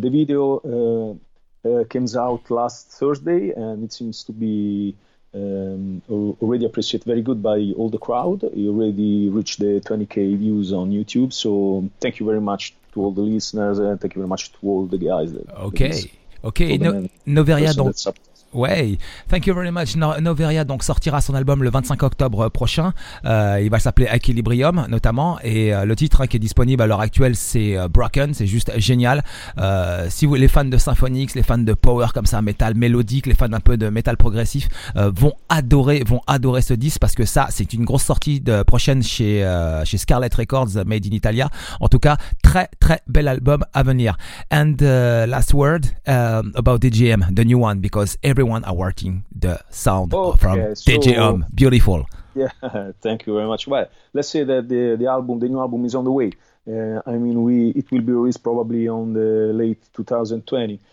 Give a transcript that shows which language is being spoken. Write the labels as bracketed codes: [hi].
[en] The video came out last Thursday, and it seems to be already appreciated very good by all the crowd. You already reached the 20,000 views on YouTube, so thank you very much to all the listeners, and thank you very much to all the guys. Okay. Noveria, donc. Ouais, thank you very much. [fr] Noveria donc sortira son album le 25 octobre prochain. Il va s'appeler Equilibrium notamment, et le titre qui est disponible à l'heure actuelle, c'est Broken. C'est juste génial. Si vous, les fans de Symphonix, les fans de power comme ça, metal mélodique, les fans un peu de metal progressif vont adorer ce disque, parce que ça, c'est une grosse sortie prochaine chez Scarlet Records, [en] made in Italia. [fr] En tout cas, très très bel album à venir. [en] And last word about DGM, the new one, because everyone are working the sound from DGM. Beautiful. Yeah, thank you very much. Well, let's say that the album, the new album, is on the way. I mean, it will be released probably on the late 2020.